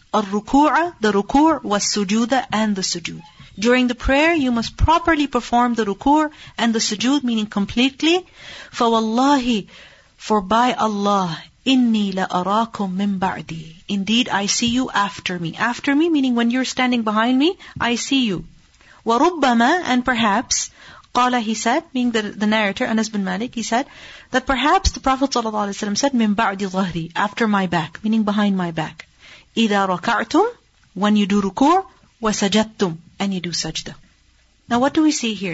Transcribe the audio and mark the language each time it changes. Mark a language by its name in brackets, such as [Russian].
[Arabic] الركوع, the ركوع, والسجود, and the سجود. [English] During the prayer, you must properly perform the ركوع and the سجود, meaning completely. [Arabic] فوالله, [English] for by Allah, [Arabic] إني لأراكم من بعدي. [English] Indeed, I see you after me. After me, meaning when you're standing behind me, I see you. وَرُبَّمَا, and perhaps, قَالَ, he said, meaning the narrator, Anas bin Malik, he said, that perhaps the Prophet ﷺ said, [Arabic] مِن بَعْدِ ظَهْرِ, [English] after my back, meaning behind my back. [Arabic] إِذَا رَكَعْتُمْ, [English] when you do rukur, وَسَجَدْتُمْ, and you do sajda. Now what do we see here?